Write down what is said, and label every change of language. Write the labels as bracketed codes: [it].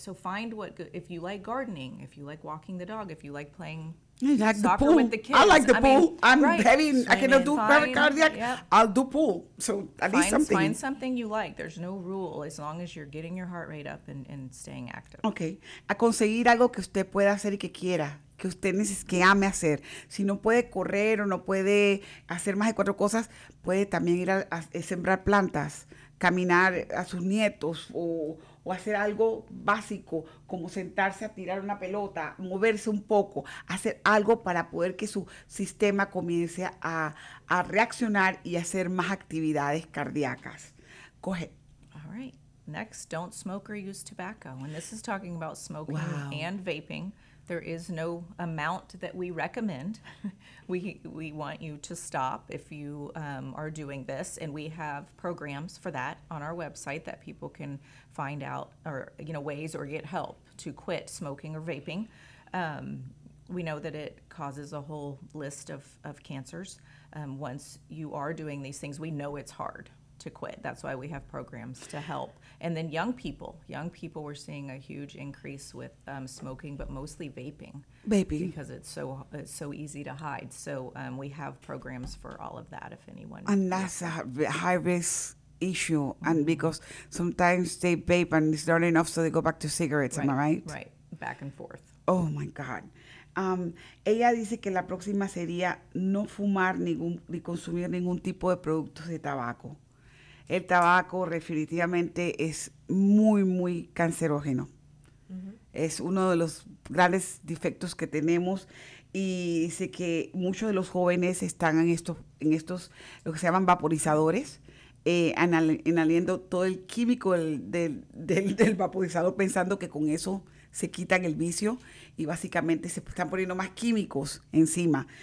[en] So find if you like gardening, if you like walking the dog, if you like playing like soccer pool. With the kids. I like the pool. I cannot do private cardiac. Yep. I'll do pool. So at least something. Find something you like. There's no rule as long as you're getting your heart rate up and staying active. Okay. [es] A conseguir algo que usted pueda hacer y que quiera. Que usted necesite, que ame hacer. Si no puede correr o no puede hacer más de cuatro cosas, puede también ir a sembrar plantas, caminar a sus nietos o hacer algo básico, como sentarse a tirar una pelota, moverse un poco, hacer algo para poder que su sistema comience a reaccionar y hacer más actividades cardíacas. Coge. [en] All right. Next, don't smoke or use tobacco. And this is talking about smoking and vaping. There is no amount that we recommend. We want you to stop if you are doing this, and we have programs for that on our website that people can find out, or, you know, ways or get help to quit smoking or vaping. We know that it causes a whole list of cancers. Once you are doing these things, we know it's hard to quit. That's why we have programs to help. And then young people, we're seeing a huge increase with smoking, but mostly vaping. Vaping. Because it's so easy to hide. So we have programs for all of that, if anyone. And that's a high risk issue. Mm-hmm. And because sometimes they vape and it's not enough, so they go back to cigarettes. Right. Am I right? Right. Back and forth. Oh, my God. [es] Ella dice que la próxima sería no fumar ni consumir ningún tipo de productos de tabaco. El tabaco definitivamente es muy, muy cancerógeno. Uh-huh. Es uno de los grandes defectos que tenemos. Y dice que muchos de los jóvenes están en estos, lo que se llaman vaporizadores, inhalando todo el químico del vaporizador, pensando que con eso se quitan el vicio y básicamente se están poniendo más químicos encima.